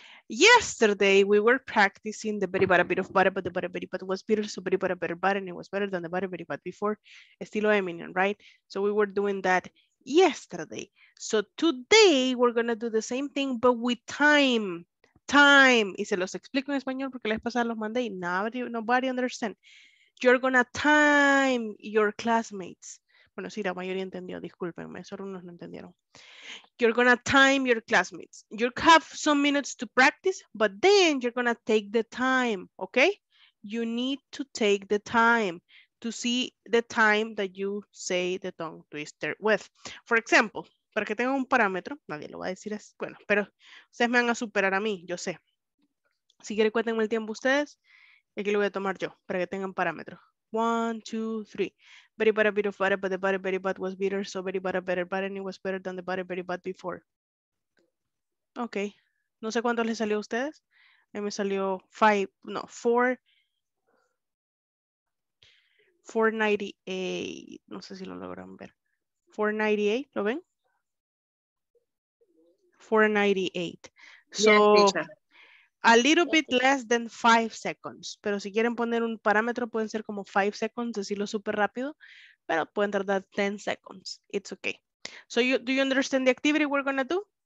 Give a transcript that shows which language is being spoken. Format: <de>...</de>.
<en>Yesterday we were practicing the very bit of butter, but the butter very but was bitter, so very butter better butter, and it was better than the butter very but before</en> <es>estilo Eminem,</es> <en>right? So we were doing that yesterday. So today we're gonna do the same thing, but with time. Time.</en> <es>Y se los explico en español porque les pasaron los mandé y</es> <en>nobody understand. You're gonna time your classmates.</en> <es>Bueno, sí, la mayoría entendió, discúlpenme, solo unos no entendieron.</es> <en>You're gonna time your classmates. You have some minutes to practice, but then you're gonna take the time, okay? You need to take the time to see the time that you say the tongue twister with. For example,</en> <es>para que tenga un parámetro, nadie lo va a decir así, bueno, pero ustedes me van a superar a mí, yo sé. Si quieren cuéntenme el tiempo ustedes, aquí lo voy a tomar yo, para que tengan parámetros.</es> <en>1, 2, 3. Very bad, a bit of butter, but the butter very bad was bitter, so very bad, a better bad, and it was better than the butter very bad before.</en> <es>Okay. No sé cuánto les salió a ustedes. A mí me salió 498. No sé si lo logran ver. 498, ¿lo ven? 498.</es> <en>So, yeah, a little bit less than 5 seconds.</en> <es>Pero si quieren poner un parámetro, pueden ser como 5 seconds, decirlo súper rápido. Pero pueden tardar 10 seconds.</es> <en>It's okay. So, do you understand the activity we're going to do?</en>